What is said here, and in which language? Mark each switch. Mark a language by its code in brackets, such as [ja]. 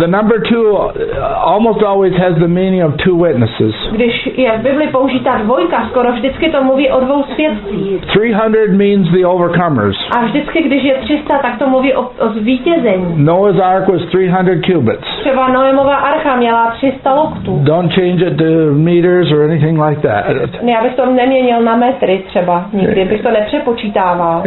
[en] The number two almost always has the meaning of two witnesses. [cs] Když je v Bibli použita dvojka, skoro vždycky to mluví o dvou svědcích. [en] 300 means the overcomers. [cs] A vždycky, když je 300, tak to mluví o zvítězení. [en] Noah's ark was 300 cubits. [cs] Třeba Noemova archa měla 300 loktů. [en] Don't change it to meters or anything like that. [cs] Ne, já bych to neměnil na metry třeba nikdy, bych to nepřepočítával.